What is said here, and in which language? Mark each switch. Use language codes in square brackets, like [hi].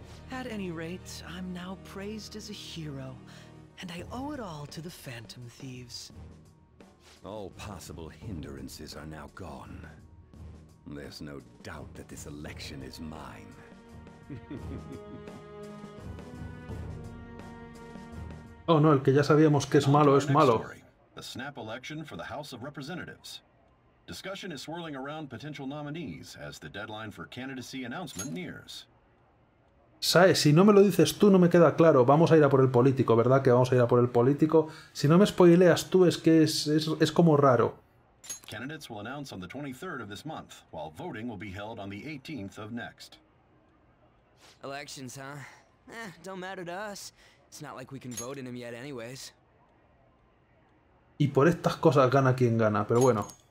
[en] At any rate, I'm now praised as a hero, and I owe it all to the Phantom Thieves. All possible hindrances are now gone. There's no doubt that this election is mine. [es] Oh no, el que ya sabíamos que es malo es malo. [en] The snap election for the House of Representatives. Discussion is swirling around potential nominees as the deadline for candidacy announcement nears. [es] Sae, si no me lo dices tú, no me queda claro. Vamos a ir a por el político, ¿verdad? Que vamos a ir a por el político. Si no me spoileas tú, es que es como raro. [en] Candidates will announce on the 23rd of this month, while voting will be held on the 18th of next. Elections, huh? Don't matter to us. It's not like we can vote in him yet anyways. [es] Y por estas cosas gana quien gana, pero bueno.